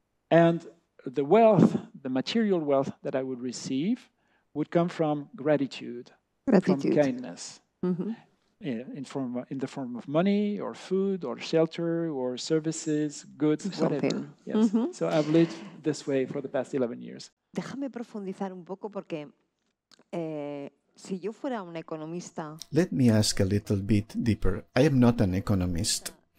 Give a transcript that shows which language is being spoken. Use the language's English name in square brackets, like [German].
[English] And the wealth, the material wealth that I would receive, would come from gratitude. From kindness, mm-hmm. In the form of money, or food, or shelter, or services, goods, something. Whatever. Yes. Mm-hmm. So I've lived this way for the past 11 years. [Spanish] Déjame profundizar un poco porque si yo fuera un economista. [English] Let me ask a little bit deeper. I am not an economist.